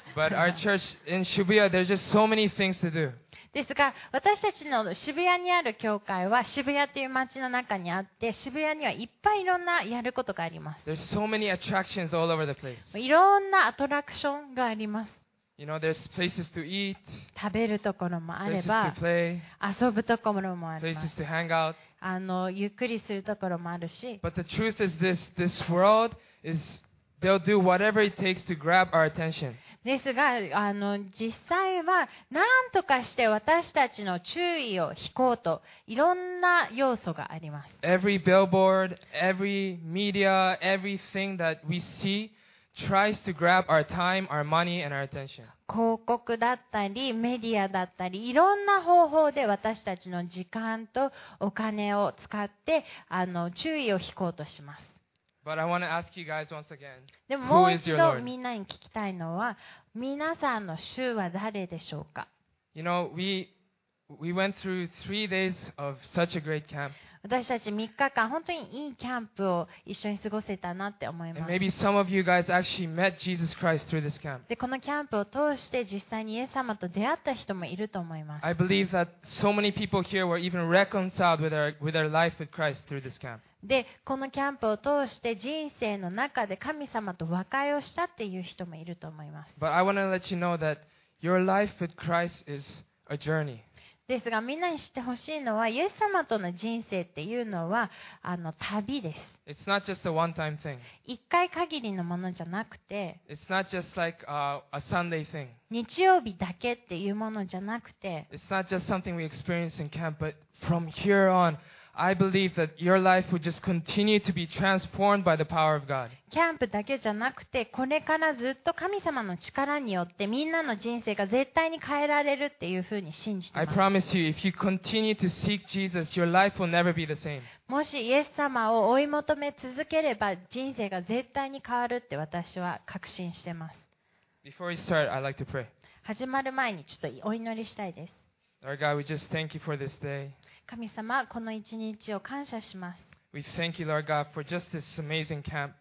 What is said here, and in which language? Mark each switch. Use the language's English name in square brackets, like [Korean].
[English] But our church in Shibuya, there's just so many things to do. [Japanese] ですが、私たちの渋谷にある教会は渋谷という街の中にあって、渋谷にはいっぱいいろんなやることがあります。 [English] There's so many attractions all over the place. [Japanese] いろんなアトラクションがあります。 [English] You know, there's places to eat. [Japanese] 食べるところもあれば、 [English] places to play. [Japanese] 遊ぶところもあります [English] 。 Places to hang out. [Japanese] ゆっくりするところもあるし。 [English] But the truth is this: this world is they'll do whatever it takes to grab our attention. [Japanese] ですが、実際は何とかして私たちの注意を引こうといろんな要素があります。 [English] Every billboard, every media, everything that we see tries to grab our time, our money, and our attention. [Japanese] 広告だったりメディアだったりいろんな方法で私たちの時間とお金を使って注意を引こうとします。 [English] But I want to ask you guys once again, [Japanese] でももう一度みんなに聞きたいのは、皆さんの主は誰でしょうか? [English] You know, we went through 3 days of such a great camp. [Japanese] 私たち3日間本当にいいキャンプを一緒に過ごせたなって思います。 [English] And maybe some of you guys actually met Jesus Christ through this camp. [Japanese] で、このキャンプを通して実際にイエス様と出会った人もいると思います。 [English] I believe that so many people here were even reconciled with their life with Christ through this camp. [Japanese] で、このキャンプを通して人生の中で神様と和解をしたっていう人もいると思います。 [English] But I want to let you know that your life with Christ is a journey. [Japanese] ですが、みんなに知ってほしいのは、イエス様との人生っていうのは旅です。 [English] It's not just a one-time thing. [Japanese] 一回限りのものじゃなくて、 [English] It's not just like a Sunday thing. [Japanese] 日曜日だけっていうものじゃなくて、 [English] It's not just something we experience in camp, but from here on,I believe that your life would just continue to be transformed by the power of God. [Japanese] キャンプだけじゃなくて、これからずっと神様の力によってみんなの人生が絶対に変えられるっていうふうに信じてます。 [English] I promise you, if you continue to seek Jesus, your life will never be the same. [Japanese] もしイエス様を追い求め続ければ人生が絶対に変わるって私は確信してます。 [English] Before we start, I'd like to pray. [Japanese] 始まる前にちょっとお祈りしたいです。 [English] Our God, we just thank you for this day. [Japanese] 神様、この一日を感謝します。 [English] We thank you, Lord God, for just this amazing camp.